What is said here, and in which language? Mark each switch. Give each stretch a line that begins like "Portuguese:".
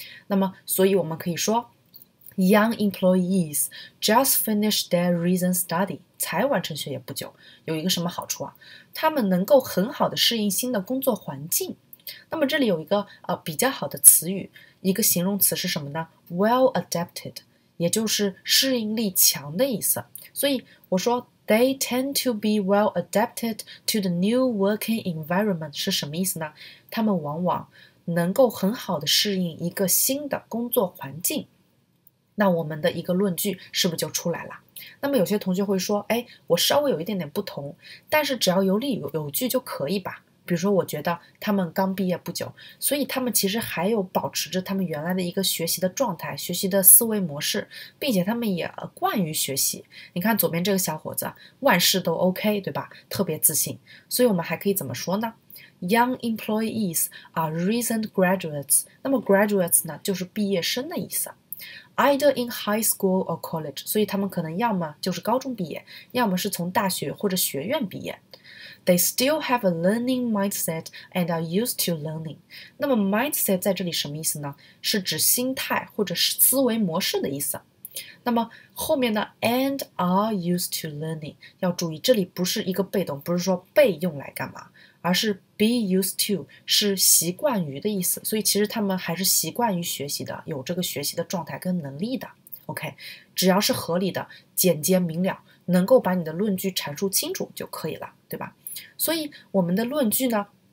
Chinese: 那么所以我们可以说，
English: young employees just finished their recent study，
Chinese: 才完成学业不久，有一个什么好处他们能够很好的适应新的工作环境。那么这里有一个比较好的词语，一个形容词是什么呢？ well adapted， 也就是适应力强的意思。所以我说
English: they tend to be well adapted to the new working environment
Chinese: 是什么意思呢？他们往往能够很好的适应一个新的工作环境。那我们的一个论据是不是就出来了？那么有些同学会说我稍微有一点点不同，但是只要有理 有据就可以吧。比如说我觉得他们刚毕业不久，所以他们其实还有保持着他们原来的一个学习的状态，学习的思维模式，并且他们也惯于学习。你看左边这个小伙子万事都 OK， 对吧？特别自信。所以我们还可以怎么说呢？
English: Young employees are recent graduates。
Chinese: 那么 graduates 呢，就是毕业生的意思。
English: either in high school or college.
Chinese: 所以他们可能要么就是高中毕业，要么是从大学或者学院毕业。
English: They still have a learning mindset and are used to learning.
Chinese: 那么 mindset 在这里什么意思呢？是指心态或者是思维模式的意思。那么后面呢
English: and are used to learning
Chinese: 要注意这里不是一个被动不是说被用来干嘛而是 be used to 是习惯于的意思所以其实他们还是习惯于学习的有这个学习的状态跟能力的 OK 只要是合理的简洁明了能够把你的论据阐述清楚就可以了对吧所以我们的论据呢